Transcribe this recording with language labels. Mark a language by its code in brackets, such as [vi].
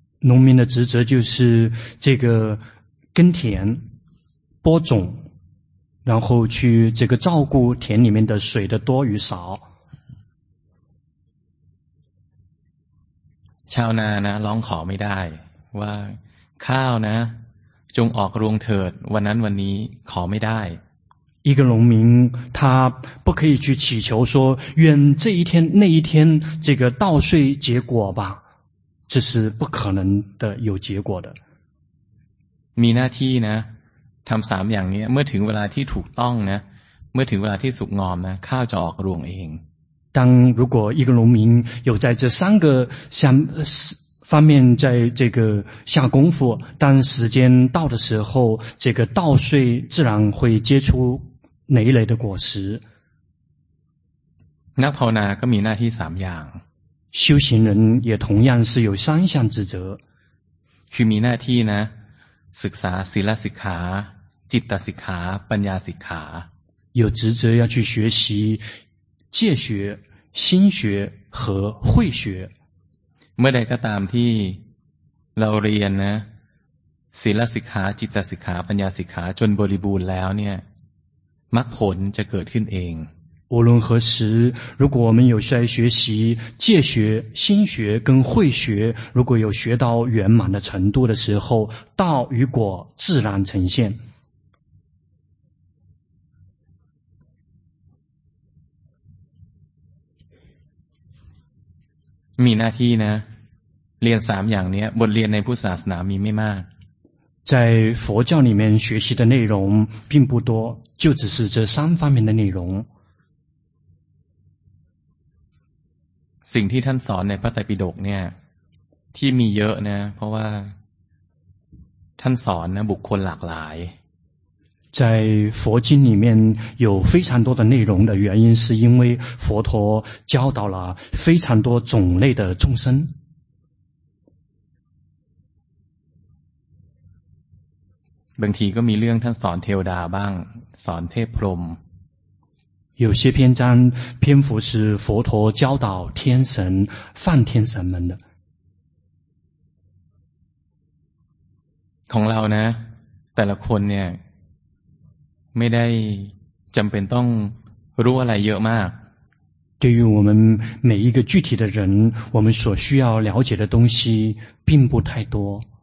[zh] 农民的职责就是这个耕田播种然后去这个照顾田里面的水的多与少 [th] ชาวนานะร้องขอไม่ได้ว่าข้าวนะจงออกรวงเถิดวันนั้นวันนี้ขอไม่ได้ [zh] 一个农民他不可以去祈求说愿这一天那一天这个稻穗结果吧这是不可能的有结果的 [th] มีหน้าที่นะทำสามอย่างนี้เมื่อถึงเวลาที่ถูกต้องนะเมื่อถึงเวลาที่สุกงอมนะข้าวจะออกรวงเอง [zh] 当如果一个农民有在这三个方面在这个下功夫当时间到的时候这个稻穗自然会结出累累的果实 [th] 那ภาวนาก็มีหน้าที่สามอย่าง [zh] 修行人也同样是有三项职责 [th] คือมีหน้าที่นะศึกษาศีลสิกขาจิตสิกขาปัญญาสิกขา [zh] 有职责要去学习戒学心学和慧学 [th] เมื่อใดก็ตามที่เราเรียนนะศีลสิกขาจิตสิกขาปัญญาสิกขาจนบริบูรณ์แล้วเนี่ยมรรคผลจะเกิดขึ้นเอง [zh] 无论何时如果我们有在学习戒学心学跟慧学如果有学到圆满的程度的时候道与果自然呈现 [th] มีหน้าที่นะเรียนสามอย่างนี้บทเรียนในพุทธศาสนามีไม่มาก [zh] 在佛教里面学习的内容并不多就只是这三方面的内容 [th] สิ่งที่ท่านสอนในพระไตรปิฎกเนี่ยที่มีเยอะนะเพราะว่าท่านสอนนะบุคคลหลากหลาย [zh] 在佛经里面有非常多的内容的原因是因为佛陀教导了非常多种类的众生 [th] บางทีก็มีเรื่องท่านสอนเทวดาบ้างสอนเทพพรหม [zh] 有些篇章篇幅是佛陀教导天神梵天神们的 [th] ของเรานะแต่ละคนเนี่ยไม่ได้จำเป็นต้องรู้อะไรเยอะมาก [zh] 对于我们每一个具体的人我们所需要了解的东西并不太多